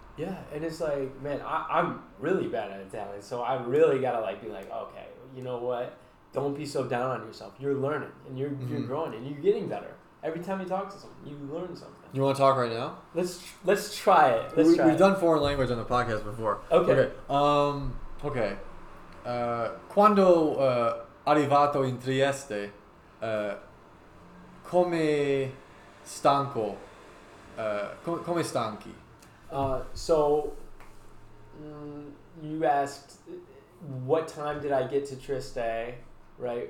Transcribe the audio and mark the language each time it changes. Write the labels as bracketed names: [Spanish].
[English] Yeah, and it's like, man, I'm really bad at Italian, so I really gotta like be like, okay, you know what, don't be so down on yourself. You're learning and you're mm-hmm. you're growing and you're getting better. Every time you talk to someone, you learn something. You want to talk right now? Let's try it. We've done foreign language on the podcast before. Okay. [Italian] Quando arrivato in Trieste, come stanco, come stanchi? [English] You asked, what time did I get to Trieste, right?